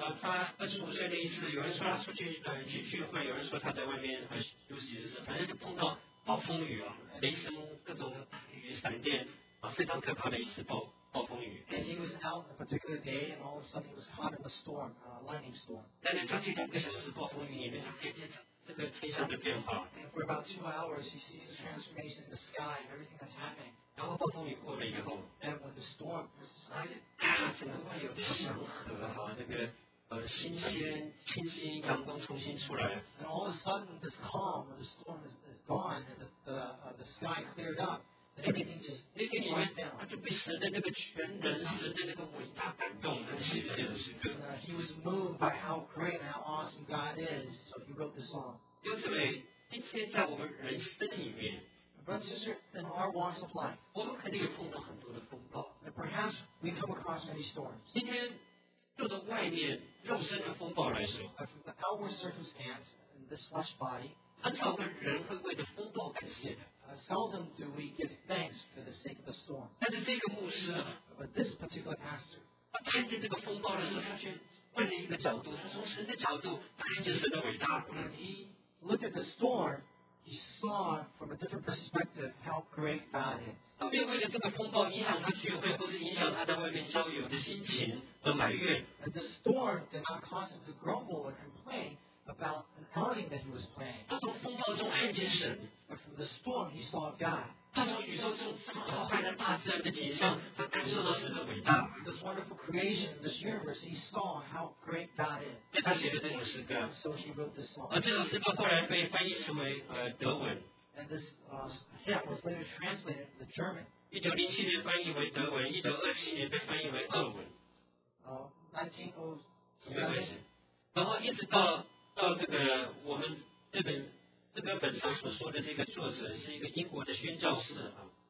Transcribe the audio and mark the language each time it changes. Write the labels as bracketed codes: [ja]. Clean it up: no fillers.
[zh] 他25岁那一次，有人说他出去聚会，有人说他在外面休息的时候，反正就碰到暴风雨啊，雷声各种雨闪电啊，非常可怕的一次暴风雨。 [en] And he was out on a particular day, and all of a sudden it was caught in a storm, a lightning storm. [zh] 但是将近2个小时暴风雨里面，他看见这个天上的变化。 [en] And for about 2 hours, he sees the transformation in the sky and everything that's happening. [zh] 然后暴风雨过了以后 [en] ，And when the storm subsided, [zh] 整个外有祥和哈，这个新鲜清新阳光重新出来。 [en] And all of a sudden, this calm, the storm is gone, and the sky cleared up. Everything just went down. [zh] 他就被神的那个全能、神的那个伟大感动，他写了这首诗歌。 [en] He was moved by how great and how awesome God is, so he wrote the song. [zh] 因为今天在我们人生里面。 [en] But sister, in our walks of life, [zh] 我们肯定也碰到很多的风暴。 [en] And perhaps we come across many storms. [zh] 今天，就在外面肉身的风暴来说 [en] ，But from the outward circumstance in this flesh body, [zh] 很少的人会为了风暴感谢的。 [en] Seldom do we give thanks for the sake of the storm. [zh] 但是这个牧师呢 [en] ？But this particular pastor, [zh] 他看见这个风暴的时候，他却换了一个角度，他从神的角度看见神的伟大。 [en] And he looked at the storm. He saw from a different perspective how great God is. [zh] 他没有为了这个风暴影响他聚会，或是影响他在外面交友的心情和埋怨。 [en] And the storm did not cause him to grumble or complain about an outing that he was playing. [zh] 他从风暴中看见神。 [en] But from the storm, he saw God. [zh] 他从宇宙中这么浩瀚的大自然的景象，他感受到神的伟大。 [en] This wonderful creation, this universe, he saw how great God is. [zh] 对他写的这首诗歌。 [en] So he wrote this song. [zh] 这首诗歌后来被翻译成为德文。 [en] And this hymn was later translated into German. [zh] 1907年翻译为德文，1927年被翻译为俄文。 1907。然后一直到这个我们这本。这个本上所说的这个作者是一个英国的宣教士啊。